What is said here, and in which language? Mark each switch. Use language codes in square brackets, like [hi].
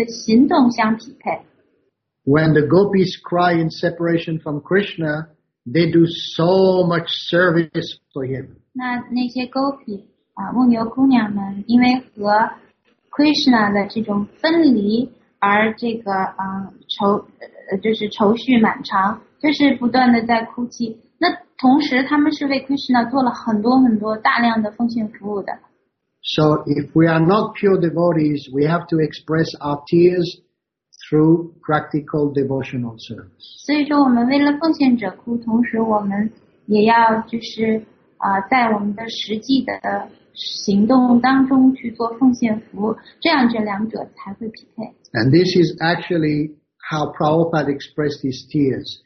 [zh] 但是最好呢，还是让你的这个泪水能够和你实际的这个奉献服务的行动相匹配。 [en] When the gopis cry in separation from Krishna, they do so much service for him. [zh] 那些牧牛姑娘们，因为和 Krishna 的这种分离而这个愁绪满肠，就是不断的在哭泣。那同时，他们是为 Krishna 做了很多很多大量的奉献服务的。 [en] So if we are not pure devotees, we have to express our tears through practical devotional service. [zh] 所以说，我们为了奉献者哭，同时我们也要就是。在我们的实际的行动当中去做奉献服务，这样这两者才会匹配。 [en] And this is actually how Prabhupada expressed his tears.